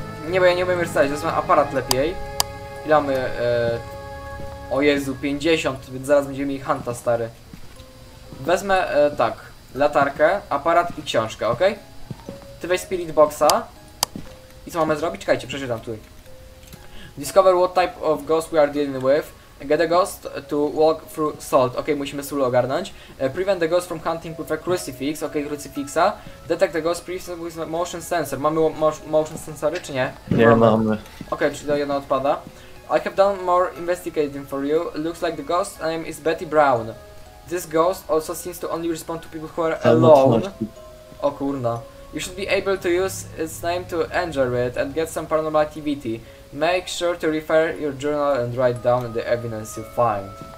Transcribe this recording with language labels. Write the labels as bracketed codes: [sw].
[pl] Nie, bo ja nie umiem rysować, wezmę aparat lepiej. Ile mamy... O Jezu, 50, więc zaraz będziemy mieli hunta, stary. Wezmę, tak, latarkę, aparat i książkę, okej? Okay? Ty weź spirit boxa. I co mamy zrobić? Czekajcie, przeczytam tu. [en] Discover what type of ghost we are dealing with. Get a ghost to walk through salt. [pl] Okej, musimy sól ogarnąć. [en] Prevent the ghost from hunting with a crucifix. [pl] Okej, krucifixa. [en] Detect the ghost presence with motion sensor. [pl] Mamy motion sensory, czy nie? Nie mamy. Okej, czyli to jedno odpada. [en] I have done more investigating for you. Looks like the ghost name is Betty Brown. This ghost also seems to only respond to people who are alone. [pl] O kurna. [en] You should be able to use its name to injure it and get some paranormal activity. Make sure to refer your journal and write down the evidence you find.